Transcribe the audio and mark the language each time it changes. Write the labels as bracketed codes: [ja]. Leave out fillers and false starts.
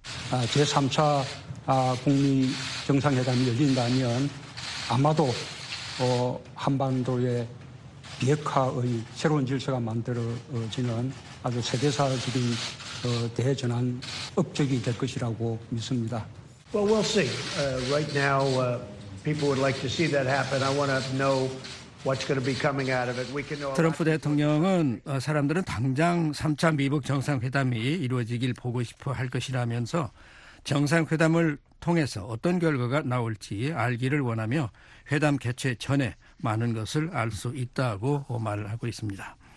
[ko] 제3차 북미 정상회담이 열린다면 아마도 한반도의 비핵화의 새로운 질서가 만들어지는 아주 세대사적인 대전환 업적이 될 것이라고 믿습니다. [en] Well, we'll see. Right now, people would like to see that happen. I want to know what's going to be coming out of it. We can know. [ko] 트럼프 대통령은 사람들은 당장 3차 미북 정상회담이 이루어지길 보고 싶어 할 것이라면서 정상회담을 통해서 어떤 결과가 나올지 알기를 원하며 회담 개최 전에 많은 것을 알 수 있다고 말을 하고 있습니다.